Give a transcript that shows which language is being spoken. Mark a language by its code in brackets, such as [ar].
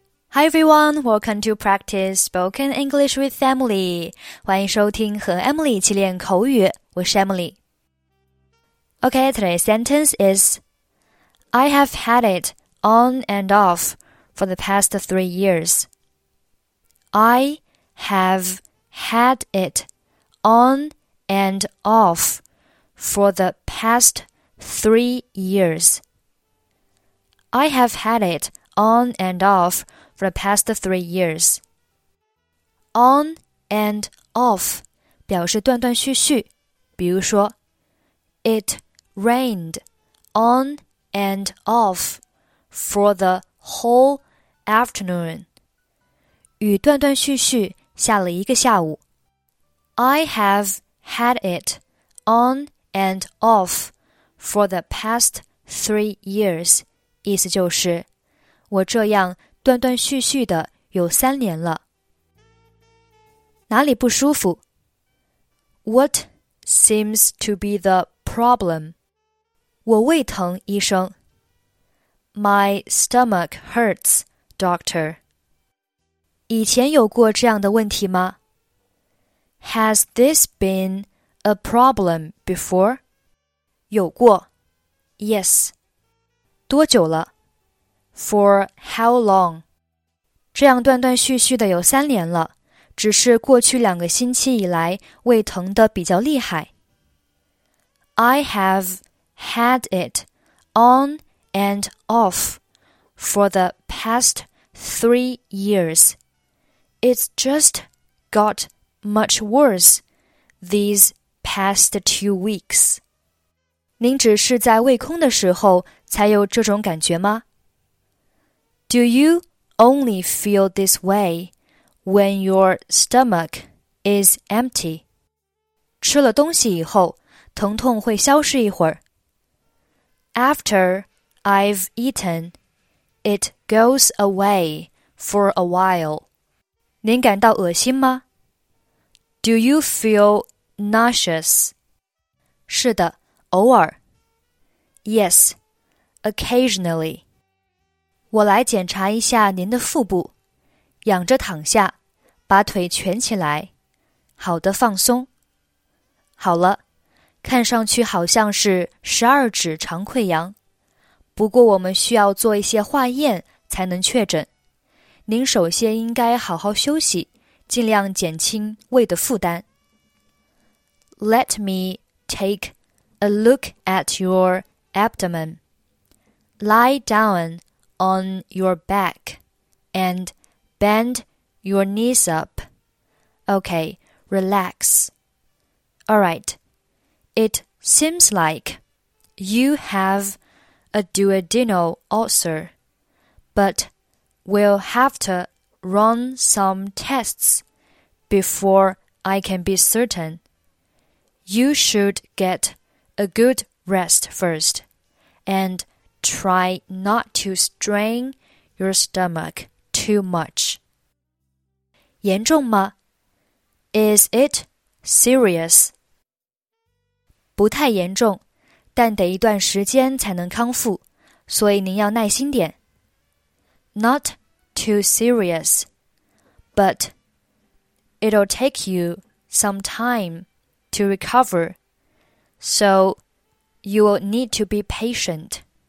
[en] Hi everyone, welcome to Practice Spoken English with Emily. [zh] 欢迎收听和 Emily 一起练口语，我是 Emily. [en] Okay, today's sentence is I have had it on and off for the past 3 years. I have had it on and off for the past 3 years. I have had it on and off. For the past 3 years. On and off [zh] 表示断断续续，比如说 [en] It rained on and off for the whole afternoon. [zh] 雨断断续续下了一个下午。 [en] I have had it on and off for the past 3 years. [zh] 意思就是我这样断断续续的有三年了。哪里不舒服？ [en] What seems to be the problem? [zh] 我胃疼，医生。 [en] My stomach hurts, doctor. [zh] 以前有过这样的问题吗？ [en] Has this been a problem before? [zh] 有过。 [en] Yes. [zh] 多久了？ [en] For how long? [zh] 这样断断续续的有三年了，只是过去两个星期以来胃疼得比较厉害。 [en] I have had it on and off for the past 3 years. It's just got much worse these past 2 weeks. [zh] 您只是在胃空的时候才有这种感觉吗？ [en] Do you? Only feel this way when your stomach is empty. [zh] 吃了东西以后，疼痛会消失一会儿。 [en] After I've eaten, it goes away for a while. [zh] 您感到恶心吗？ [en] Do you feel nauseous? [zh] 是的，偶尔。 [en] Yes, occasionally. [zh] 我来检查一下您的腹部，仰着躺下，把腿蜷起来，好的放松。好了，看上去好像是12指肠溃疡，不过我们需要做一些化验才能确诊。您首先应该好好休息，尽量减轻胃的负担。 [en] Let me take a look at your abdomen. Lie down. On your back and bend your knees up. Okay, relax. All right. It seems like you have a duodenal ulcer, but we'll have to run some tests before I can be certain. You should get a good rest first andTry not to strain your stomach too much. [zh] 严重吗? [en] Is it serious? [zh] 不太严重,但得一段时间才能康复,所以您要耐心点。 [en] Not too serious, but it'll take you some time to recover, so you will need to be patient.